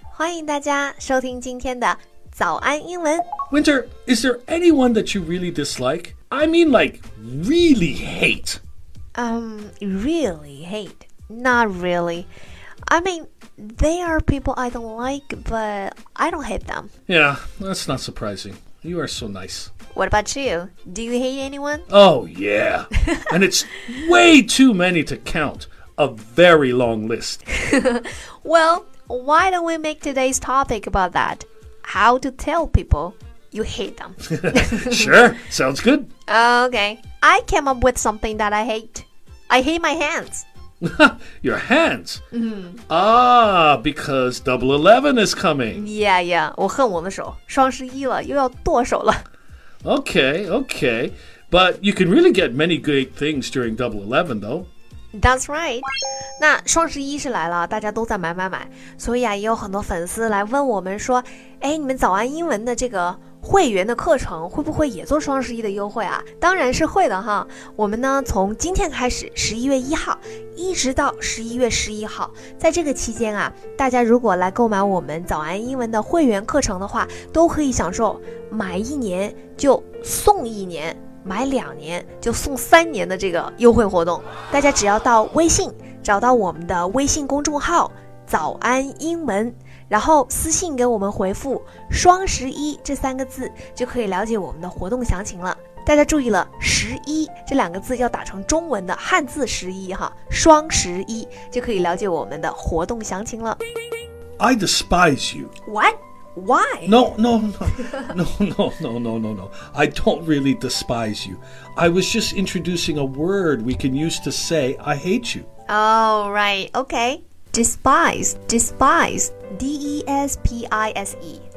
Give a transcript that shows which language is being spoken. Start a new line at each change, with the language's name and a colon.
Chinese: 欢迎大家收听今天的早安英文。
English: Winter, is there anyone that you really dislike? I mean like really hate. Really hate. Not really. I mean... They are people I don't like, but I don't hate them. Yeah, that's not surprising. You are so nice. What about you? Do you hate anyone? Oh, yeah. And it's way too many to count. A very long list. Well, why don't we make today's topic about that? How to tell people you hate them. Sure, sounds good. Okay, I came up with something that I hate. I hate my hands. Your hands?、 Mm-hmm. Ah, because Double 11 is coming. Yeah, yeah.
Chinese: 我恨我的手。双十一了，又要剁手了。
English: Okay, okay. But you can really get many great things during Double 11, though. That's right.
Chinese: 那双十一是来了，大家都在买买买。所以啊，也有很多粉丝来问我们说，哎，你们早安英文的这个会员的课程会不会也做双十一的优惠啊？当然是会的哈。我们呢，从今天开始，11月1号，一直到11月11号，在这个期间啊，大家如果来购买我们早安英文的会员课程的话，都可以享受买一年就送一年，买两年就送三年的这个优惠活动。大家只要到微信，找到我们的微信公众号，早安英文。然后私信给我们回复双十一这三个字就可以了解我们的活动详情了大家注意了十一这两个字要打成中文的汉字十一哈双十一就可以了解我们的活动详情了
English: I despise you What? Why? No. I don't really despise you I was just introducing a word we can use to say I hate you Oh, right, okay Despise, D-E-S-P-I-S-E.